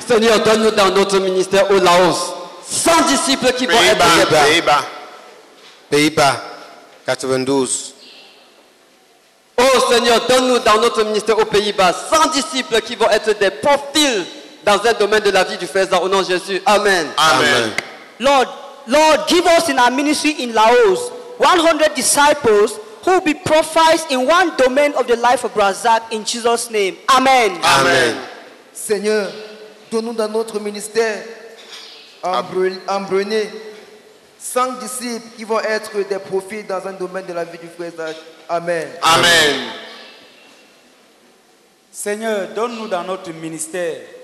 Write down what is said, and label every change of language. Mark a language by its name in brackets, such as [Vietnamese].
[French] Seigneur, donne-nous dans notre ministère au Laos 100 disciples qui vont être des profils. Pays-Bas, 92. Oh Seigneur, donne-nous dans notre ministère aux Pays-Bas 100 disciples qui vont être des profils dans un domaine de la vie du frère Zach. Au nom de Jésus, amen. Amen. [English] Lord, give us in our ministry in Laos 100 disciples who will be profiles in one domain of the life of Brother Zach. In Jesus' name, amen. Amen. [French] Seigneur, donne-nous dans notre ministère en Brunei 100 disciples qui vont être des profits dans un domaine de la vie du frère Zach. Amen. Amen. Seigneur, donne-nous dans notre ministère